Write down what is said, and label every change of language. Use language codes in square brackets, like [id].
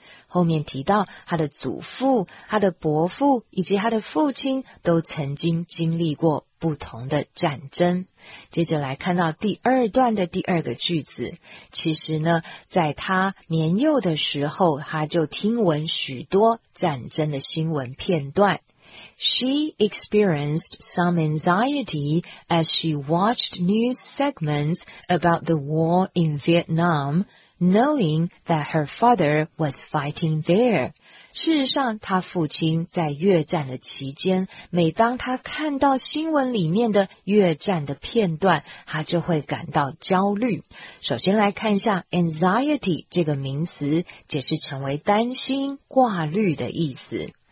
[zh] 后面提到他的祖父、他的伯父以及他的父亲都曾经经历过不同的战争。接着来看到第二段的第二个句子，其实呢，在他年幼的时候，他就听闻许多战争的新闻片段。 [en] She experienced some anxiety as she watched news segments about the war in Vietnam, knowing that her father was fighting there. [zh] 事实上他父亲在越战的期间每当他看到新闻里面的越战的片段他就会感到焦虑。首先来看一下 anxiety 这个名词解释成为担心挂虑的意思。